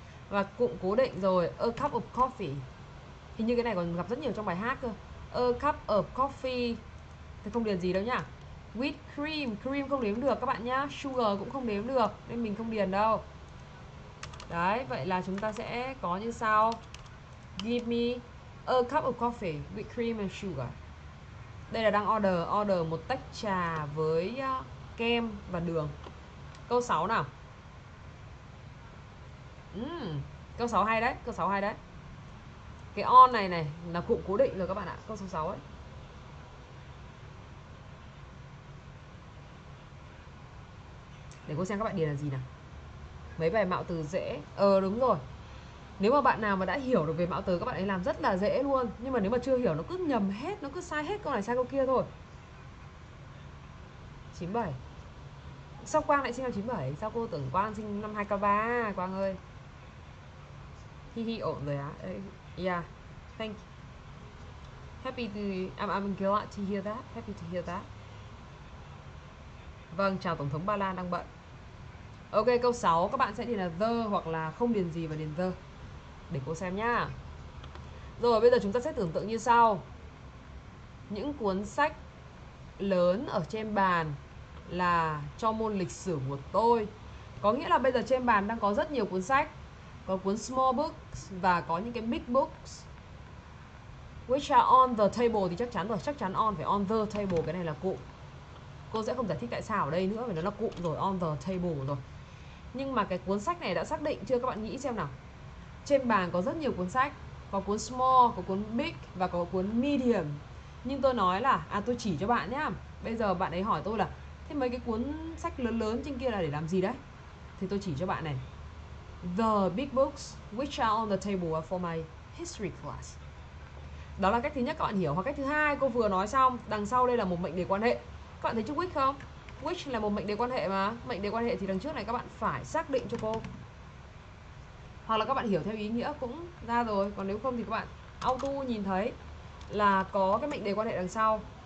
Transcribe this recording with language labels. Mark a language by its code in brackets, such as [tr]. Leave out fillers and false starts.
[vi] Và cụm cố định rồi, [en] a cup of coffee. [vi] Hình như cái này còn gặp rất nhiều trong bài hát cơ. [en] A cup of coffee. [vi] Thì không điền gì đâu nhá. [en] With cream, [vi] cream không đếm được các bạn nhá. Sugar cũng không đếm được nên mình không điền đâu. Đấy, vậy là chúng ta sẽ có như sau. [en] Give me a cup of coffee with cream and sugar. [vi] Đây là đang order, order một tách trà với kem và đường. Câu 6 nào. Câu 6 hay đấy, câu 6 hay đấy. Cái on này này là cụm cố định rồi các bạn ạ, câu số 6 ấy. Để cô xem các bạn điền là gì nào. Mấy bài mạo từ dễ. Ờ đúng rồi. Nếu mà bạn nào mà đã hiểu được về mạo từ các bạn ấy làm rất là dễ luôn. Nhưng mà nếu mà chưa hiểu nó cứ nhầm hết, nó cứ sai hết câu này sai câu kia thôi. 97. Sao Quang lại sinh năm 97? Sao cô tưởng Quang sinh năm 2K3? Quang ơi. Hi hi ổn rồi á. [en] Yeah, thank you. Happy to, I'm glad to hear that. Happy to hear that. [vi] Vâng, chào Tổng thống Ba Lan đang bận. Ok, câu 6 các bạn sẽ điền là the hoặc là không điền gì và điền the. Để cô xem nhá. Rồi, bây giờ chúng ta sẽ tưởng tượng như sau. Những cuốn sách lớn ở trên bàn là cho môn lịch sử của tôi. Có nghĩa là bây giờ trên bàn đang có rất nhiều cuốn sách. Có cuốn [en] small books [vi] và có những cái [en] big books. Which are on the table [vi] thì chắc chắn rồi, chắc chắn on phải [en] on the table, [vi] cái này là cụm. Cô sẽ không giải thích tại sao ở đây nữa vì nó là cụm rồi, [en] on the table [vi] rồi. Nhưng mà cái cuốn sách này đã xác định chưa các bạn nghĩ xem nào. Trên bàn có rất nhiều cuốn sách, có cuốn small, có cuốn big và có cuốn medium. Nhưng tôi nói là à tôi chỉ cho bạn nhá. Bây giờ bạn ấy hỏi tôi là thế mấy cái cuốn sách lớn lớn trên kia là để làm gì đấy? Thì tôi chỉ cho bạn này. [en] The big books which are on the table for my history class. [vi] Đó là cách thứ nhất các bạn hiểu. Hoặc cách thứ hai cô vừa nói xong, đằng sau đây là một mệnh đề quan hệ. Các bạn thấy chữ which không? Which là một mệnh đề quan hệ mà. Mệnh đề quan hệ thì đằng trước này các bạn phải xác định cho cô. Hoặc là các bạn hiểu theo ý nghĩa cũng ra rồi. Còn nếu không thì các bạn auto nhìn thấy là có cái mệnh đề quan hệ đằng sau.